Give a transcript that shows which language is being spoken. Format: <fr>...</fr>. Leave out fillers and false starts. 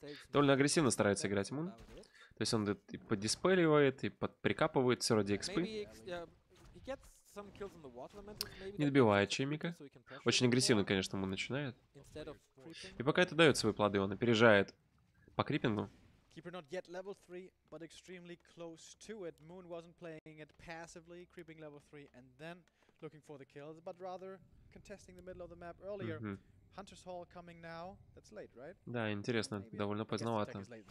<ru>Довольно агрессивно старается играть Мун. То есть он и подиспеливает, и прикапывает все ради экспы. Не добивает Чеймика. Очень агрессивно, конечно, Мун начинает. И пока это дает свои плоды, он опережает по крипингу.</ru> <en>Keeper not yet level 3, but extremely close to it. Moon wasn't playing it passively, creeping level 3 and then looking for the kills, but rather contesting the middle of the map earlier. Mm-hmm. Hunter's Hall coming now. That's late, right?</en> <ru>Да, интересно, довольно поздновато.</ru>